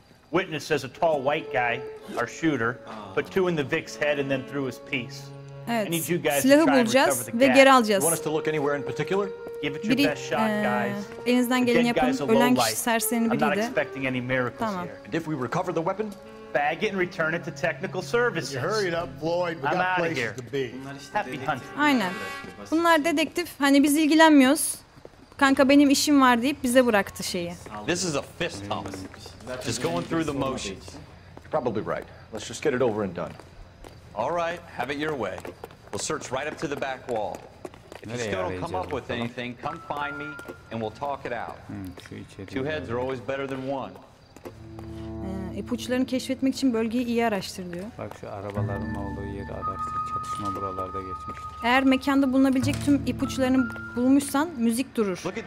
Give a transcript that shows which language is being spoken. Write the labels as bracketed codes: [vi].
[en] Witness says a tall white guy, our shooter, put two in the Vic's head and then threw his piece. [tr] Evet, silahı bulacağız ve geri alacağız. [en] Want us to look anywhere in particular? [tr] Biri, elinizden geleni yapın, ölen kişi serserinin biriydi. Tamam. [en] And if we recover the weapon? Bag it and return it to technical services. Hurry up, Floyd. We got places to be. Happy hunting. [tr] Aynen. Bunlar dedektif. Hani biz ilgilenmiyoruz. Kanka benim işim var deyip bize bıraktı şeyi. [en] This is a fist pump. Just going through the motions. Probably right. Let's just get it over and done. All right. Have it your way. We'll search right up to the back wall. If you still don't come up with anything, come find me and we'll talk it out. Two heads are always better than one. [tr] İpuçlarını keşfetmek için bölgeyi iyi araştır diyor. Bak şu arabaların olduğu yeri araştır. Çatışma buralarda geçmiştir. Eğer mekanda bulunabilecek tüm ipuçlarını bulmuşsan müzik durur.